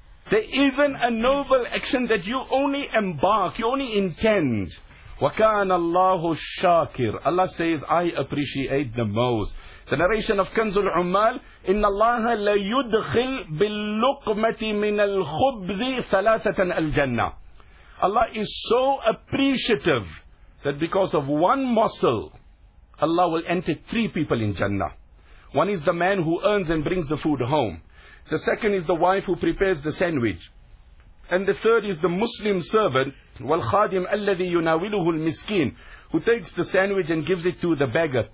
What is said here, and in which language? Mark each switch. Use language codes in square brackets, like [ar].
[en] There isn't a noble action that you only embark, you only intend. [ar] وَكَانَ اللَّهُ الشَّاكِرُ. [en] Allah says, I appreciate the most. The narration of Kanzul Ummal, [ar] إِنَّ اللَّهَ لَيُدْخِلْ بِاللُّقْمَةِ مِنَ الْخُبْزِ ثَلَاثَةً الْجَنَّةِ. [en] Allah is so appreciative that because of one morsel, Allah will enter 3 people in Jannah. One is the man who earns and brings the food home. The second is the wife who prepares the sandwich. And the third is the Muslim servant, [ar] وَالْخَادِمْ أَلَّذِي يُنَاوِلُهُ الْمِسْكِينَ, [en] who takes the sandwich and gives it to the beggar.